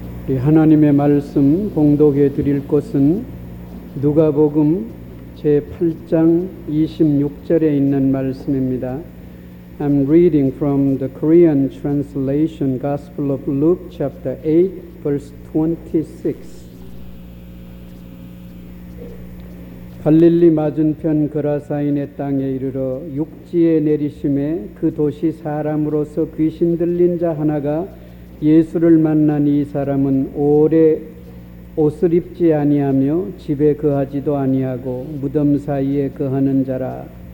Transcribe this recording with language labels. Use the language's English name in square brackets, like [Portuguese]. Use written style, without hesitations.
[Korean] 우리 하나님의 말씀 봉독해 드릴 것은 누가복음 제8장 26절에 있는 말씀입니다. [English] I'm reading from the Korean translation Gospel of Luke chapter 8 verse 26. [Korean] 갈릴리 맞은편 그라사인의 땅에 이르러 육지에 내리심에 그 도시 사람으로서 귀신 들린 자 하나가 예수를 만난 이 사람은 오래 옷을 입지 아니하며 집에 거하지도 아니하고 무덤 사이에 거하는 자라.